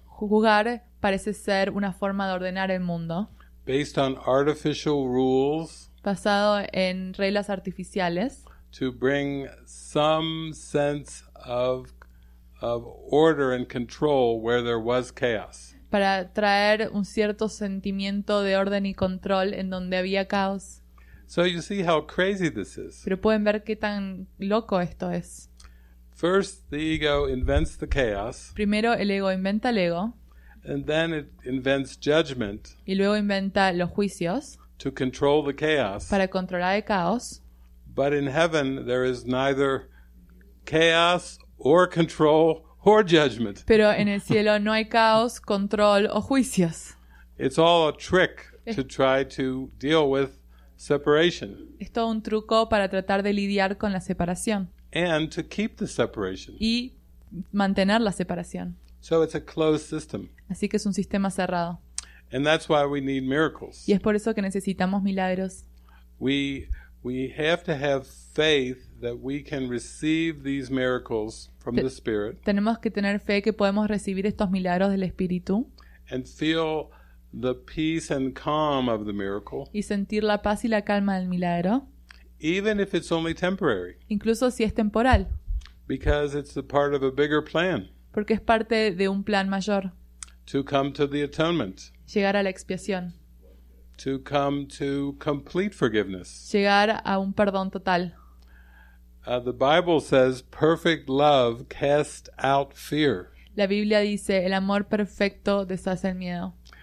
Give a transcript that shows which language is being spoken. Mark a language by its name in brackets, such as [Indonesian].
[Spanish] Juzgar parece ser una forma de ordenar el mundo. [English] Based on artificial rules. [Spanish] Basado en reglas artificiales. [English] To bring some sense of order and control where there was chaos. [Spanish] Para traer un cierto sentimiento de orden y control en donde había caos. [English] So you see how crazy this is. [Spanish] Pero pueden ver qué tan loco esto es. [English] First, the ego invents the chaos. [Spanish] Primero el ego inventa el ego. [English] And then it invents judgment. [Spanish] Y luego inventa los juicios. [English] To control the chaos. [Spanish] Para controlar el caos. [English] But in heaven there is neither chaos or control or judgment. [Spanish] Pero en el cielo no hay caos, control o juicios. [English] It's all a trick to try to deal with separation. [Spanish] Es todo un truco para tratar de lidiar con la separación. [English] And to keep the separation. [Spanish] Y mantener la separación. [English] So it's a closed system. [Spanish] Así que es un sistema cerrado. [English] And that's why we need miracles. [Spanish] Y es por eso que necesitamos milagros. [English] We have to have faith that we can receive these miracles from the Spirit. [Spanish] Tenemos que tener fe que podemos recibir estos milagros del Espíritu. [English] And feel the peace and calm of the miracle. [Spanish] Y sentir la paz y la calma del milagro. [English] Even if it's only temporary. [Spanish] Incluso si es temporal. [English] Because it's a part of a bigger plan. [Spanish] Porque es parte de un plan mayor. [English] To come to the atonement. [Spanish] Llegar a la expiación. [English] To come to complete forgiveness. [Spanish] Llegar a un perdón total. [English] The Bible says perfect love casts out fear. [Spanish] La Biblia dice el amor perfecto deshace el miedo.